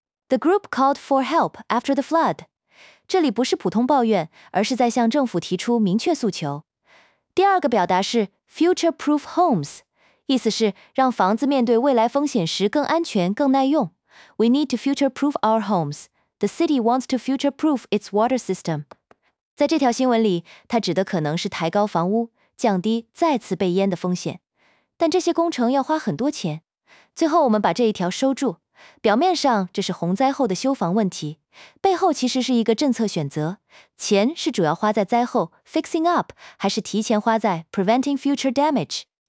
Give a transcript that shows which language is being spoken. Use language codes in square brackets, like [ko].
[en] The group called for help after the flood. [zh] 这里不是普通抱怨，而是在向政府提出明确诉求。第二个表达是 future-proof homes， 意思是让房子面对未来风险时更安全、更耐用。 [en] We need to future-proof our homes. The city wants to future-proof its water system. [zh] 在这条新闻里，它指的可能是抬高房屋，降低再次被淹的风险。但这些工程要花很多钱。最后我们把这一条收住，表面上这是洪灾后的修房问题，背后其实是一个政策选择，钱是主要花在灾后 [en] fixing up， [zh] 还是提前花在 [en] preventing future damage。